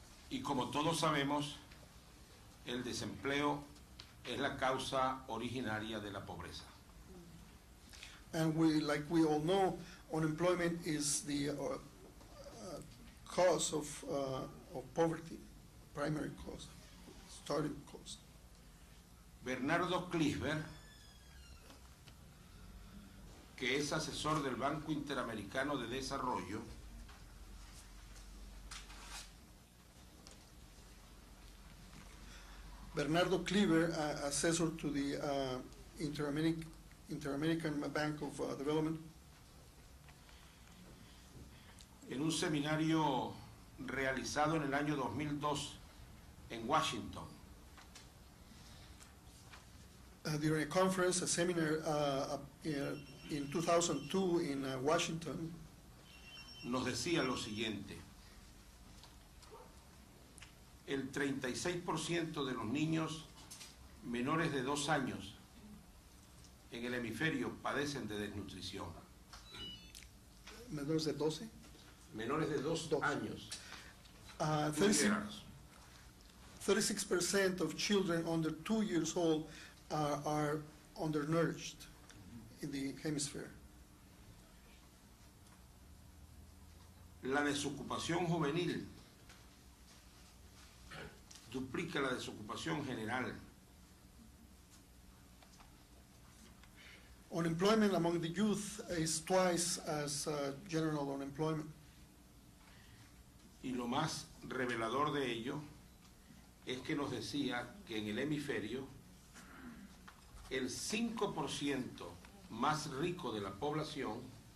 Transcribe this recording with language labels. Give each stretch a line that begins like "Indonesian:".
Spanish: Y como todos sabemos, el desempleo es la causa originaria de la pobreza.
English: And like we all know, unemployment is the cause of poverty, primary cause, starting cause.
Spanish: Bernardo Klisver, que es asesor del Banco Interamericano de Desarrollo,
English: Bernardo Klisver, assessor to the Inter-American Bank of Development,
Spanish: en un seminario realizado en el año 2002 en Washington.
English: During a conference, a seminar in 2002 in Washington,
Spanish: nos decía lo siguiente: el 36% de los niños menores de 2 años en el hemisferio padecen de desnutrición. menores de 12. Menores de 12 años.
English: 36% of children under 2 years old are undernourished in the hemisphere.
Spanish: La desocupación juvenil duplica la desocupación general.
English: Unemployment among the youth is twice as general unemployment.
Spanish: Y lo más revelador de ello es que nos decía que en el hemisferio el 5% más rico de la población.